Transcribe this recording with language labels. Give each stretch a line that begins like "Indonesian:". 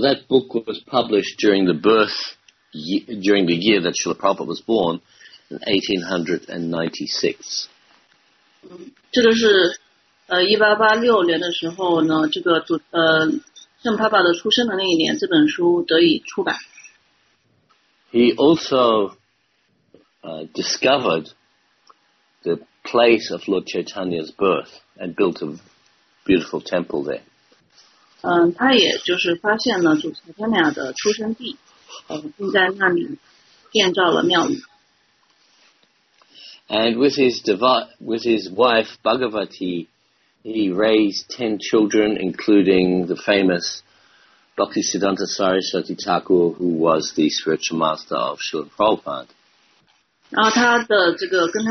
English: that book was published during the birth during the year that Srila Prabhupada was born, in 1896.
Chinese: 这个是1886年的时候呢，这个读。
English: He also discovered the place of Lord Chaitanya's birth and built a beautiful temple there.
Chinese: 他也就是发现了主乔天俩的出生地，并在那里建造了庙宇。
English: And with his wife Bhagavati, he raised 10 children, including the famous Bhaktisiddhanta Saraswati Thakur, who was the spiritual master of Srila Prabhupada.